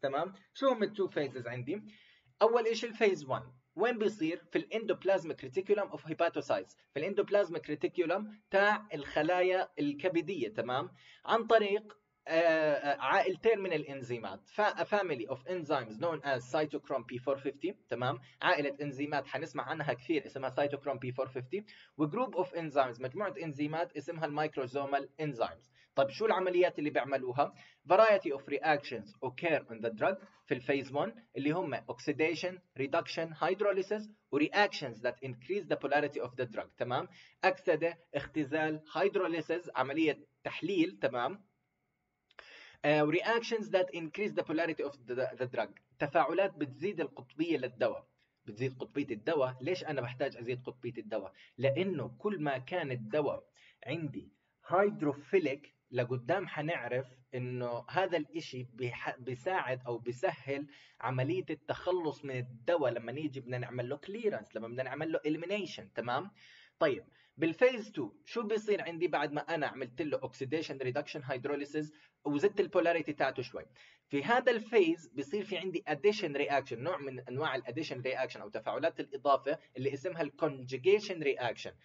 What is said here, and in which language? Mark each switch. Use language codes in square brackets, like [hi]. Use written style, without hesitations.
[ar] تمام؟ شو هم two phases عندي؟ أول إيش الphase one؟ وين بيصير؟ في الاندوبلازميك ريتيكولوم اوف هيباتوسايتس، في الاندوبلازميك ريتيكولوم تاع الخلايا الكبدية، تمام؟ عن طريق عائلتين من الانزيمات، [en] family of enzymes known as cytochrome P450، [ar] تمام؟ عائلة انزيمات حنسمع عنها كثير اسمها cytochrome P450، و [en] group of enzymes [ar] مجموعة انزيمات اسمها الميكروزومال انزيمز. [en] طيب شو العمليات اللي بيعملوها؟ variety of reactions occur on the drug [ar] في الفيز 1 اللي هم [en] oxidation, reduction, hydrolysis reactions that increase the polarity of the drug، تمام؟ [ar] أكسدة، اختزال، [en] hydrolysis [ar] عملية تحليل، تمام؟ [en] reactions that increase the polarity of the drug، [ar] تفاعلات بتزيد القطبية للدواء. بتزيد قطبية الدواء، ليش أنا بحتاج أزيد قطبية الدواء؟ لأنه كل ما كان الدواء عندي hydrophilic لقدام حنعرف إنه هذا الإشي بيساعد أو بيسهل عملية التخلص من الدواء لما نيجي بدنا نعمل له clearance، لما بدنا نعمل له elimination، تمام؟ طيب بالفيز 2 شو بيصير عندي بعد ما انا عملت له اوكسيديشن ريدكشن هيدروليسيس وزدت البولاريتي تاعته شوي؟ في هذا الفيز بيصير في عندي اديشن رياكشن، نوع من انواع الاديشن رياكشن او تفاعلات الاضافه اللي اسمها الكونجيجيشن رياكشن.